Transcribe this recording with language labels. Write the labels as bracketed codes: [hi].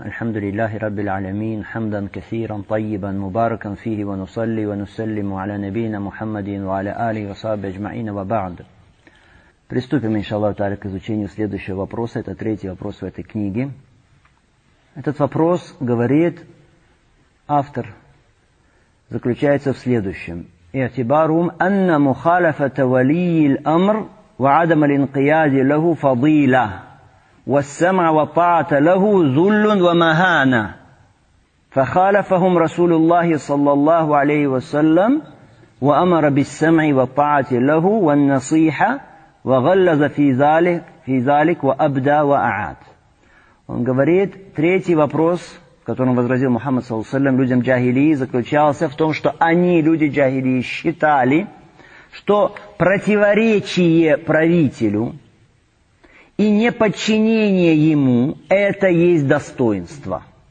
[ar] الحمد لله رب العالمين، حمدا كثيرا طيبا مباركا فيه، ونصلي ونسلم على نبينا محمد وعلى آله وصحبه أجمعين، وبعد. [ru] Приступим, иншаллах тааля, к изучению следующего вопроса. Это третий вопрос в этой книге. Этот вопрос, говорит автор, заключается в следующем. [ar] اعتبارهم أن مخالفة ولي الأمر وعدم الانقياد له فضيلة والسمع وطاعة له ذل ومهانة فخالفهم رسول الله صلى الله عليه وسلم وأمر بالسمع وطاعة له والنصيحة وغلظ في ذلك وأبدى وأعاد. [ru] Он говорит, третий вопрос, которым возразил Мухаммад صلى الله عليه وسلم людям джахилии, заключался в том, что они, люди джахилии, считали, что противоречие правителю и неподчинение ему – это есть достоинство.